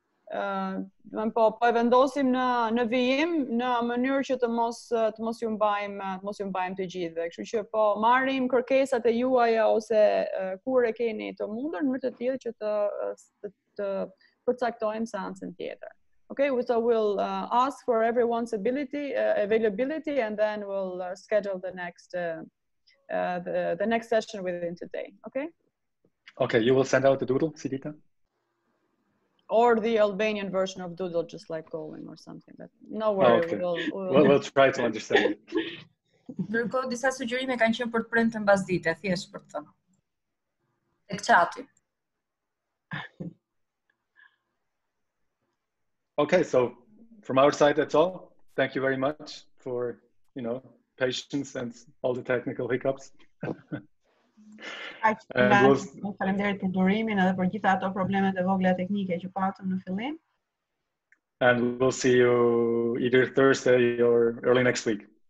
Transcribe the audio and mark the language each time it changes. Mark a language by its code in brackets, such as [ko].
[sq] Po e vendosim në vijim në mënyrë që të mos ju mbajmë të gjithë. Kështu që po marrim kërkesat e juaja ose kur e keni të mundur në mënyrë të tillë që të përcaktojmë seancën tjetër. [en] Okay, so we'll ask for everyone's availability and then we'll schedule the next session within today. Okay? Okay, you will send out the doodle, Sidita? Or the Albanian version of Doodle, just like calling or something. But no worry, okay. We'll try to understand. [sq] Ndërkohë, disa sugjerime kanë qenë për të prënë të mbasdite, thjesht për të thënë. Tek chati. [en] Okay, so from our side, that's all. Thank you very much for, you know, patience and all the technical hiccups. [sq] Faleminderit për durimin edhe për gjitha ato problemet e vogla teknike që patëm në fillim. [en] And we'll see you either Thursday or early next week.